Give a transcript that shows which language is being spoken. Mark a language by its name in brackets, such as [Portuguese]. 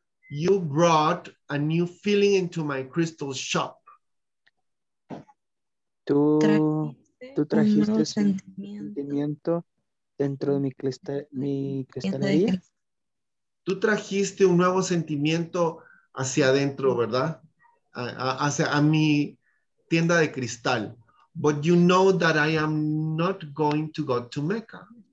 [English] You brought a new feeling into my crystal shop. [Spanish] Tú trajiste un sentimiento dentro de mi cristalería. Tú trajiste un nuevo sentimiento hacia adentro, ¿verdad? Hacia mi tienda de cristal. [English] But you know that I am not going to go to Mecca.